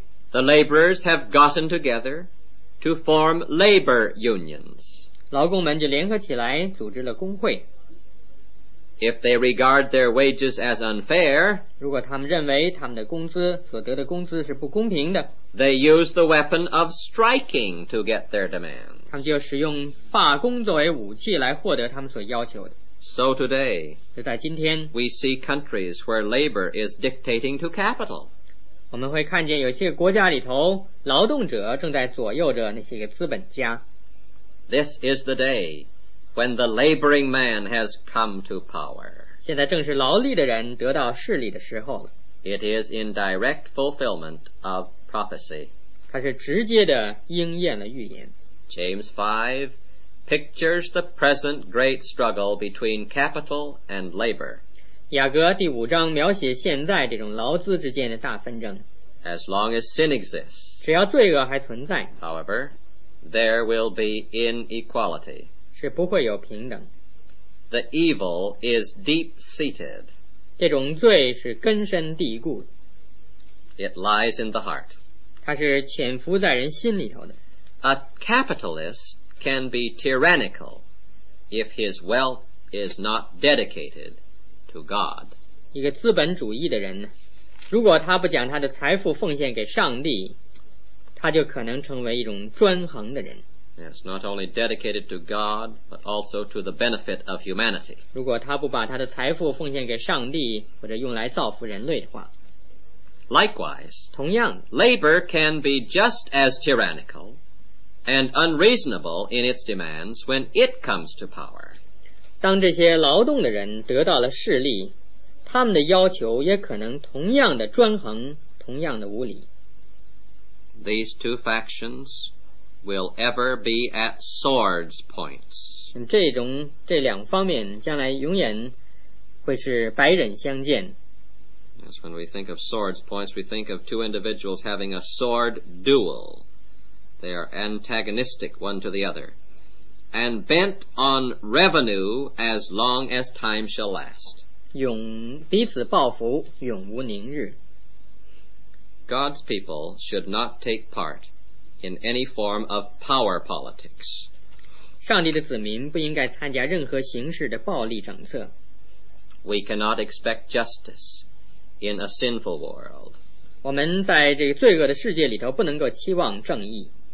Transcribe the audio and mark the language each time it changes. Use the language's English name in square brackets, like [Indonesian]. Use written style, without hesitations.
[English] the laborers have gotten together to form labor unions. [Chinese] 劳工们就联合起来组织了工会。 [English] If they regard their wages as unfair, [Chinese] 如果他们认为他们的工资所得的工资是不公平的， [English] they use the weapon of striking to get their demands. [Chinese] 他们就使用罢工作为武器来获得他们所要求的。 [English] So today, [Chinese] 就在今天， [English] we see countries where labor is dictating to capital. [Chinese] 我们会看见有些国家里头劳动者正在左右着那些个资本家。 [English] This is the day when the laboring man has come to power. [Chinese] 现在正是劳力的人得到势力的时候了。 [English] It is in direct fulfillment of prophecy. [Chinese] 它是直接的应验了预言。 [English] James 5 pictures the present great struggle between capital and labor. [Chinese] 雅各第五章描写现在这种劳资之间的大纷争。 [English] As long as sin exists, [Chinese] 只要罪恶还存在， [English] however, there will be inequality. [Chinese] 是不会有平等。 [English] The evil is deep-seated. [Chinese] 这种罪是根深蒂固。 [English] It lies in the heart. [Chinese] 它是潜伏在人心里头的。 [English] A capitalist can be tyrannical if his wealth is not dedicated to God. [Chinese] 一个资本主义的人，如果他不将他的财富奉献给上帝，他就可能成为一种专横的人。 [English] Yes, not only dedicated to God, but also to the benefit of humanity. [Chinese] 如果他不把他的财富奉献给上帝，或者用来造福人类的话。 [English] Likewise, [Chinese] 同样， [English] labor can be just as tyrannical and unreasonable in its demands when it comes to power. [Chinese] 当这些劳动的人得到了势力，他们的要求也可能同样的专横，同样的无理。 [English] These two factions will ever be at swords points. [Chinese] 这两方面将来永远会是百刃相见。 [English] Yes, when we think of swords points, we think of two individuals having a sword duel. They are antagonistic one to the other, and bent on revenue as long as time shall last. [Chinese] 永彼此报复，永无宁日。 [English] God's people should not take part in any form of power politics. [Chinese] 上帝的子民不应该参加任何形式的暴力政策。 [English] We cannot expect justice in a sinful world. [Chinese] 我们在这个罪恶的世界里头不能够期望正义。